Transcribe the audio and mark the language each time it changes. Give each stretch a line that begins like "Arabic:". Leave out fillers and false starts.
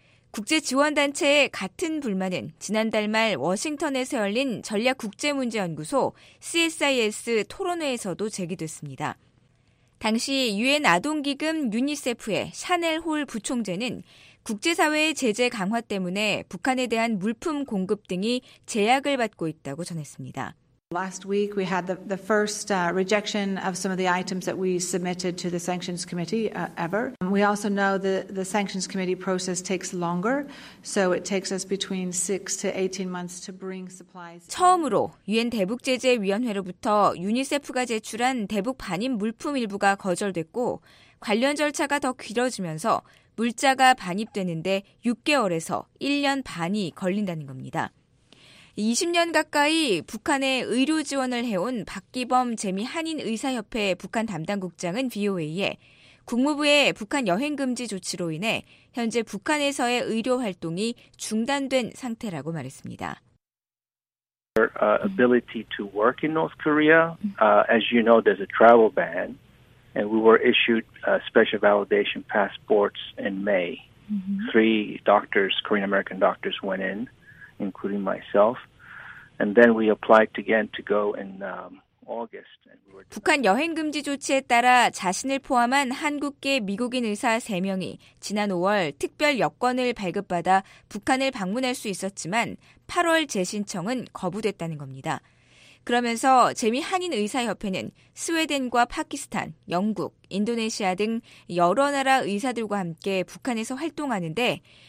Korean: 국제지원단체의 같은 불만은 지난달 말 워싱턴에서 열린 전략국제문제연구소 CSIS 토론회에서도 제기됐습니다. 당시 유엔 아동기금 유니세프의 샤넬 홀 부총재는 국제사회의 제재 강화 때문에 북한에 대한 물품 공급 등이 제약을 받고 있다고 전했습니다.
English: Last week we had the first rejection of some of the items that we submitted to the sanctions committee ever. We also know the sanctions committee process takes longer, so it takes us between 6 to 18 months to bring supplies.
Korean: 처음으로 유엔 대북 제재 위원회로부터 유니세프가 제출한 대북 반입 물품 일부가 거절됐고 관련 절차가 더 길어지면서 물자가 반입되는데 6개월에서 1년 반이 걸린다는 겁니다. 20년 가까이 북한에 의료 지원을 해온 박기범 재미 한인의사협회 북한 담당국장은 VOA에 국무부의 북한 여행 금지 조치로 인해 현재 북한에서의 의료 활동이 중단된 상태라고 말했습니다.
English: Our ability to work in North Korea, as you know, there's a travel ban, and we were issued special validation passports in May. Three doctors, Korean American doctors, went in. Including myself, and then we applied again to go in August.
Korean: 북한 여행 금지 조치에 따라 자신을 포함한 한국계 미국인 의사 3명이 지난 5월 특별 여권을 발급받아 북한을 방문할 수 있었지만 8월 재신청은 거부됐다는 겁니다. 그러면서 재미 한인 의사협회는 스웨덴과 파키스탄, 영국, 인도네시아 등 여러 나라 의사들과 함께 북한에서 활동하는데.